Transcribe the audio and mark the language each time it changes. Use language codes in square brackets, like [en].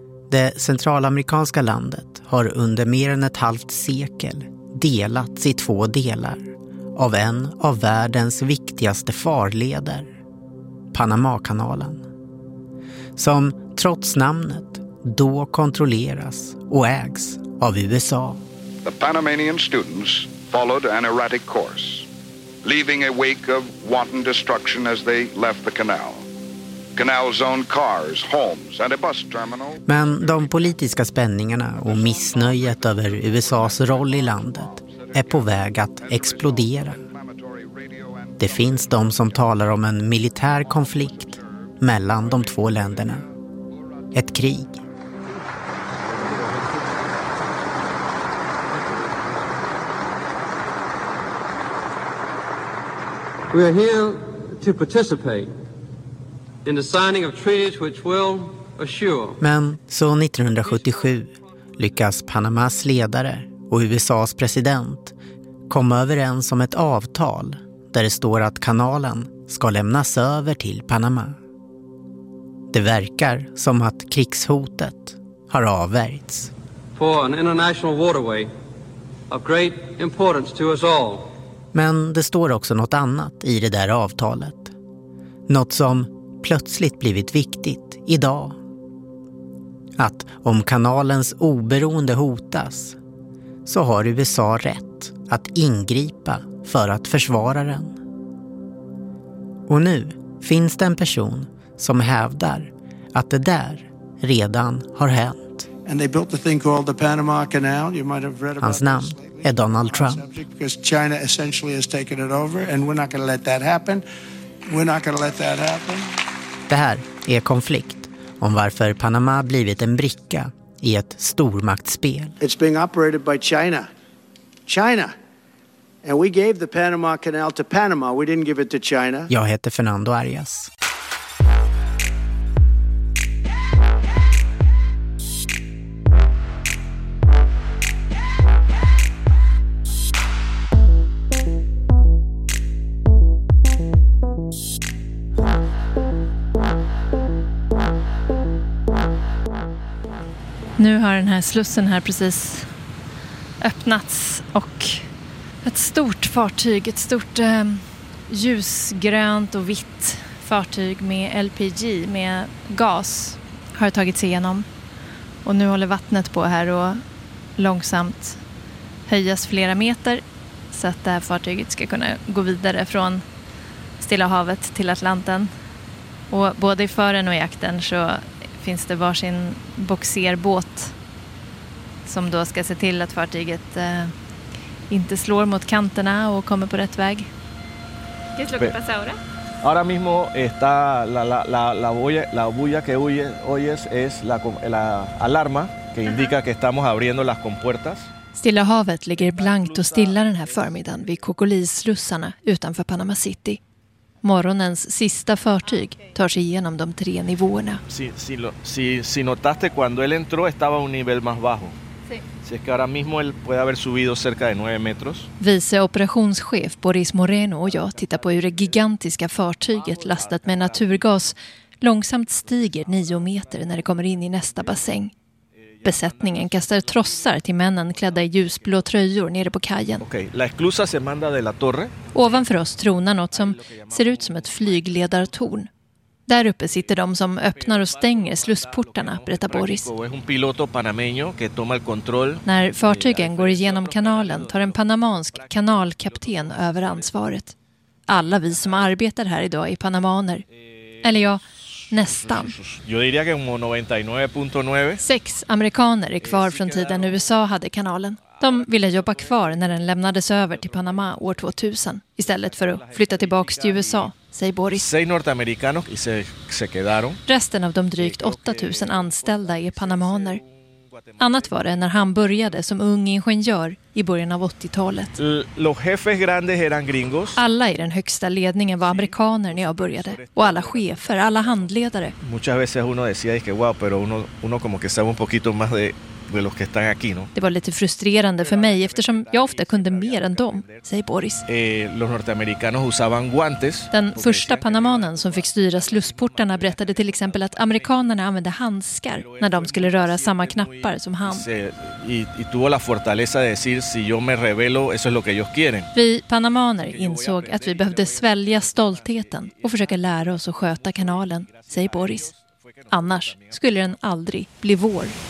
[sv] Det centralamerikanska landet har under mer än ett halvt sekel delats i två delar av en av världens viktigaste farleder, Panamakanalen. Som trots namnet då kontrolleras och ägs av USA. [en] The Panamanian students followed an erratic course, leaving a wake of wanton destruction as they left the canal. Canal zone cars, homes and a bus terminal. [sv] Men de politiska spänningarna och missnöjet över USA:s roll i landet är på väg att explodera. Det finns de som talar om en militär konflikt mellan de två länderna. Ett krig. [en] We are here to participate in the signing of treaties which will assure. [sv] Men så 1977 lyckas Panamas ledare och USA:s president komma överens om ett avtal där det står att kanalen ska lämnas över till Panama. Det verkar som att krigshotet har avvärjts. [en] For an international waterway of great importance to us all. [sv] Men det står också något annat i det där avtalet. Något som plötsligt blivit viktigt idag. Att om kanalens oberoende hotas så har USA rätt att ingripa för att försvara den. Och nu finns det en person som hävdar att det där redan har hänt. [en] And they built the thing called the Panama Canal. You might have read about [sv] hans namn. Är Donald Trump. [en] Because China essentially has taken it over and we're not going to let that happen. We're not going to let that happen. [sv] Det här är konflikt om varför Panama blivit en bricka i ett stormaktsspel. [en] It's being operated by China. China. And we gave the Panama Canal to Panama. We didn't give it to China. [sv] Jag heter Fernando Arias. Nu har den här slussen här precis öppnats och ett stort fartyg, ett stort ljusgrönt och vitt fartyg med LPG, med gas, har tagit sig igenom. Och nu håller vattnet på här och långsamt höjas flera meter så att det här fartyget ska kunna gå vidare från Stilla havet till Atlanten. Och både i fören och i akten så finns det varsin boxerbåt som då ska se till att fartyget inte slår mot kanterna och kommer på rätt väg. [es] ¿Qué es lo que pasa ahora? Ahora mismo está la bulla que oyes es la alarma que indica que estamos abriendo las compuertas. [sv] Stilla havet ligger blankt och stilla den här förmiddagen vid Cocolis-slussarna utanför Panama City. Morgonens sista fartyg tar sig igenom de tre nivåerna. [es] Si notaste cuando él entró estaba un nivel más bajo. Sí. Si es que ahora mismo él puede haber subido cerca de 9 metros. [sv] Vice operationschef Boris Moreno och jag tittar på hur det gigantiska fartyget lastat med naturgas långsamt stiger 9 meter när det kommer in i nästa bassäng. Besättningen kastar trossar till männen klädda i ljusblå tröjor nere på kajen. [es] Okay. La esclusa se manda de la torre. [sv] Ovanför oss tronar något som ser ut som ett flygledartorn. Där uppe sitter de som öppnar och stänger slussportarna, berättar Boris. [es] Es un piloto panameño que toma el control. [sv] När fartygen går igenom kanalen tar en panamansk kanalkapten över ansvaret. Alla vi som arbetar här idag är panamaner. Eller ja, nästan. [es] Yo diría que como 99.9. [sv] 6 amerikaner är kvar från tiden USA hade kanalen. De ville jobba kvar när den lämnades över till Panama år 2000 istället för att flytta tillbaka till USA, säger Boris. [es] 6 norteamericanos y se quedaron. [sv] Resten av de drygt 8000 anställda är panamaner. Annat var det när han började som ung ingenjör i början av 80-talet. [es] Los jefes grandes eran gringos. [sv] Alla i den högsta ledningen var amerikaner när jag började. Och alla chefer, alla handledare. [es] Muchas veces uno decía que wow, pero uno como que sabe un poquito más de de los que están aquí, ¿no? [sv] Det var lite frustrerande för mig eftersom jag ofta kunde mer än dem, säger Boris. [es] Los norteamericanos usaban guantes. [sv] Den första panamanen som fick styra slussportarna berättade till exempel att amerikanerna använde handskar när de skulle röra samma knappar som han. [es] Y tuvo la fortaleza de decir si yo me revelo, eso es lo que ellos quieren. [sv] Vi panamaner insåg att vi behövde svälja stoltheten och försöka lära oss att sköta kanalen, säger Boris. Annars skulle den aldrig bli vår.